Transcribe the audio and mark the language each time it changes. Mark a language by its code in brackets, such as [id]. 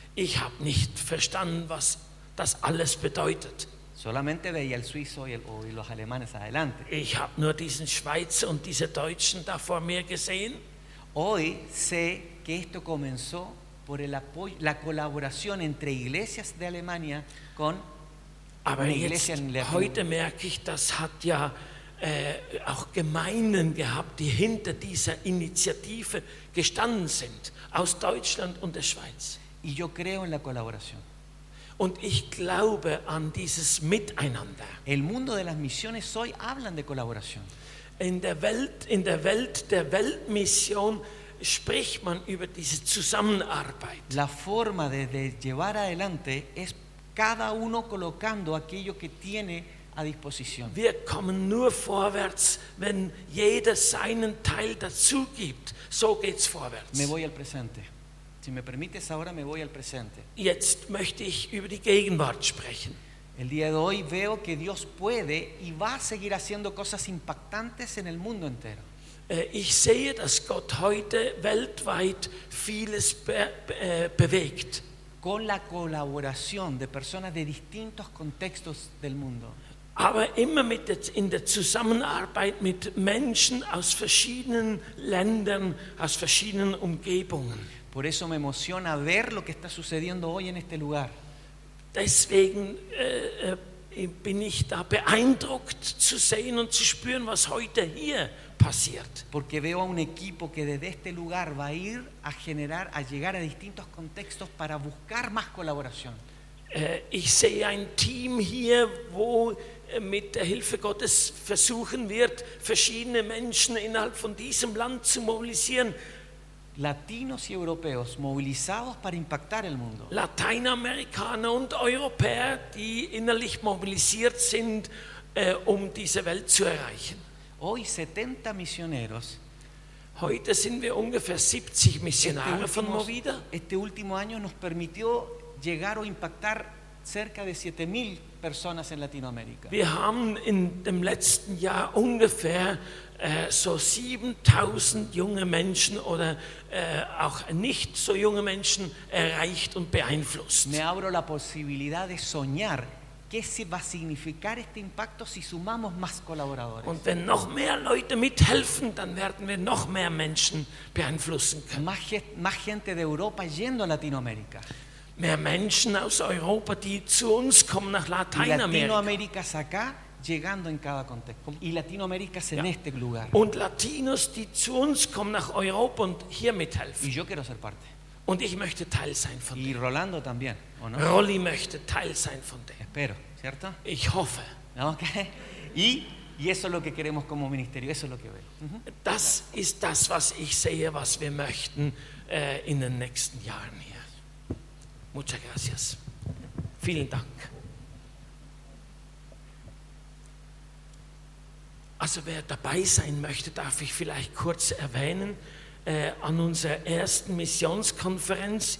[de] Ich habe nicht verstanden, was das alles bedeutet. [es] Solamente veía el suizo y los alemanes adelante. [de] Ich habe nur diesen Schweizer und diese Deutschen da vor mir gesehen. [es] Hoy sé que esto comenzó por el apoyo, la colaboración entre iglesias de Alemania con [de] Aber jetzt, [es] en [de] heute merke ich, das hat ja auch Gemeinden gehabt, die hinter dieser Initiative gestanden sind, aus Deutschland und der Schweiz. [es] Y yo creo en la colaboración. [de] Und ich glaube an dieses Miteinander. [es] El mundo de las misiones hoy hablan de colaboración. [de] In der Welt der Weltmission spricht man über diese Zusammenarbeit. [es] La forma de llevar adelante es cada uno colocando aquello que tiene a disposición. [de] Wir kommen nur vorwärts, wenn jeder seinen Teil dazu gibt. So geht's vorwärts. [es] Me voy al presente. Si me permites, ahora me voy al presente. [de] Jetzt möchte ich über die Gegenwart sprechen. [es] El día de hoy veo que Dios puede y va a seguir haciendo cosas impactantes en el mundo entero. [de] Ich sehe, dass Gott heute weltweit vieles bewegt. [es] Con la colaboración de personas de distintos contextos del mundo. [de] Aber immer mit in der Zusammenarbeit mit Menschen aus verschiedenen Ländern, aus verschiedenen Umgebungen. [es] Por eso me emociona ver lo que está sucediendo hoy en este lugar. [de] Deswegen bin ich da beeindruckt zu sehen und zu spüren, was heute hier passiert. [es] Porque veo a un equipo que desde este lugar va a ir a generar, a llegar a distintos contextos para buscar más colaboración. [de] Ich sehe ein Team hier, wo mit der Hilfe Gottes versuchen wird, verschiedene Menschen innerhalb von diesem Land zu mobilisieren. [es] Latinos y europeos movilizados para impactar el mundo. [de] Lateinamerikaner und Europäer, die innerlich mobilisiert sind, um diese Welt zu erreichen. [es] Hoy 70 misioneros. [de] Heute sind wir ungefähr 70 Missionare von Movida. [es] Este último año nos permitió llegar o impactar cerca de 7000 personas en Latinoamérica. [de] Wir haben in dem letzten Jahr ungefähr so 7000 junge Menschen oder auch nicht so junge Menschen erreicht und beeinflusst. [es] Me abro la posibilidad de soñar qué se va a significar este impacto si sumamos más colaboradores. [de] Und wenn noch mehr Leute mithelfen, dann werden wir noch mehr Menschen beeinflussen können. [es] Más gente de Europa yendo a Latinoamérica. [de] Mehr Menschen aus Europa, die zu uns kommen nach Lateinamerika. [es] Latinoamérica acá llegando en cada contexto. Y Latinoamérica es en este lugar. [de] Und Latinos, die zu uns kommen nach Europa und hier mithelfen. [es] Y yo quiero ser parte. [de] Und ich möchte Teil sein von dir. [es] Y Rolando también, ¿o no? [de] Rolly möchte Teil sein von dir. [es] Espero, ¿cierto? [de] Ich hoffe. Okay. [es] Y eso es lo que queremos como ministerio, eso es lo que veo. [de] Das ist das, was ich sehe, was wir möchten in den nächsten Jahren hier. [es] Muchas gracias. [de] Vielen Dank. Also wer dabei sein möchte, darf ich vielleicht kurz erwähnen, an unserer ersten Missionskonferenz.